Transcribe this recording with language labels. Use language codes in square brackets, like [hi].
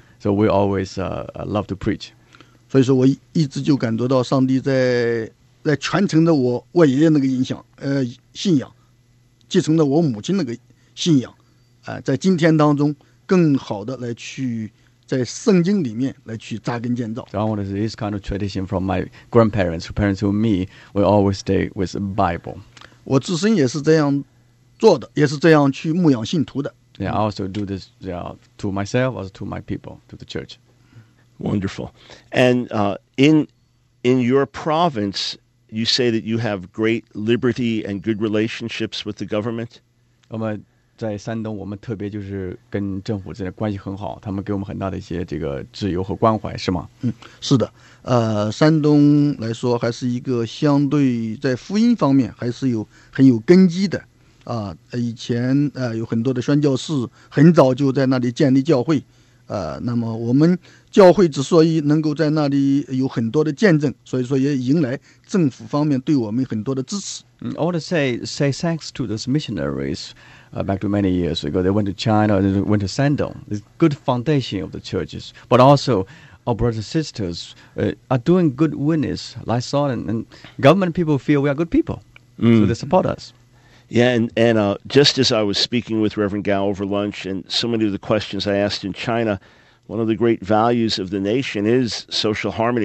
[en] So we always love to preach. [zh] 所以说我一直就感觉到上帝在传承着我外爷爷那个影响，信仰，继承着我母亲那个信仰，在今天当中更好的来去在圣经里面来去扎根建造。 [en] So I want to say this kind of tradition from my grandparents, parents who me, we always stay with the Bible. [zh] 我自身也是这样。做的也是这样去牧养信徒的。 [en] Yeah, I also do this to myself, also to my people, to the church. Wonderful. And in your province, you say that you have great liberty and good relationships with the government. [zh] 我们在山东，我们特别就是跟政府之间关系很好，他们给我们很大的一些这个自由和关怀，是吗？是的。山东来说，还是一个相对在福音方面还是有很有根基的。以前有很多的宣教士很早就在那里建立教会，那么我们教会之所以能够在那里有很多的见证，所以说也迎来政府方面对我们很多的支持。 [en] I want to say thanks to those missionaries back to many years ago. They went to China, they went to Shandong. It's a good foundation of the churches. But also, our brothers and sisters are doing good witness, like Saul, and government people feel we are good people. Mm. So they support us. Yeah, and just as I was speaking with Reverend Gao over lunch, and so many of the questions I asked in China, one of the great values of the nation is social harmony.